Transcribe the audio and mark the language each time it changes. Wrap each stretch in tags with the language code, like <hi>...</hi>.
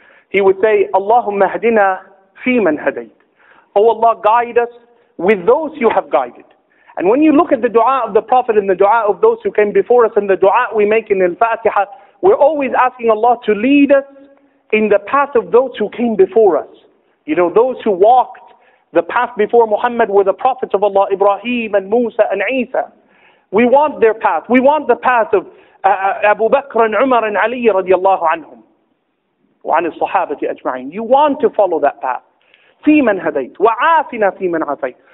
<en>He would say,</en> <ar>اللهم اهدنا فيمن هديت.</ar> <en>Oh Allah, guide us with those you have guided. And when you look at the dua of the Prophet and the dua of those who came before us and the dua we make in Al-Fatiha, we're always asking Allah to lead us in the path of those who came before us. You know, those who walked the path before Muhammad were the Prophets of Allah, Ibrahim and Musa and Isa. We want their path. We want the path of Abu Bakr and Umar and Ali radiallahu anhum.</en> <ar>وعن الصحابة أجمعين.</ar> <en>You want to follow that path.</en> <ar>في من هديت وعافنا في من عافيت.</ar>